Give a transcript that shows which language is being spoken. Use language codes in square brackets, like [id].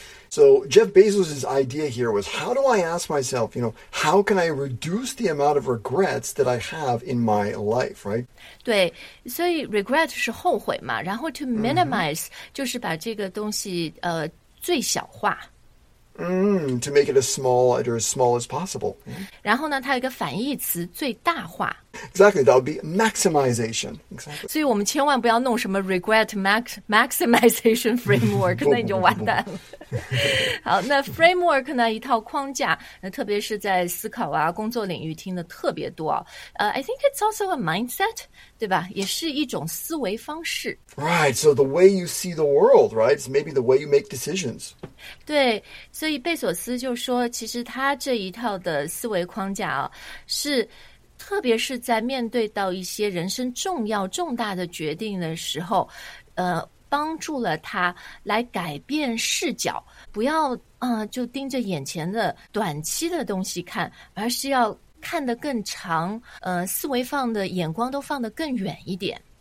[en] So Jeff Bezos' idea here was, how do I ask myself, you know, how can I reduce the amount of regrets that I have in my life, right? [zh] 对，所以 regret 是后悔嘛，然后 [en] to minimize、 [zh] mm-hmm. 就是把这个东西最小化。 [en] To make it as small as possible. [zh] 然后呢，它有一个反义词，最大化。 [en] Exactly, that would be maximization. Exactly. [zh] 所以我们千万不要弄什么 [en] regret maximization framework, [zh] 那你就完蛋了。好，那 framework 呢，一套框架，那特别是在思考啊，工作领域听的特别多。 [en] I think it's also a mindset, [zh] 对吧？也是一种思维方式。 [en] Right, so the way you see the world, right? It's maybe the way you make decisions. [zh] 对，所以贝索斯就说，其实他这一套的思维框架啊，是特别是在面对到一些人生重要重大的决定的时候，帮助了他来改变视角，不要就盯着眼前的短期的东西看，而是要看得更长，思维放的眼光都放得更远一点。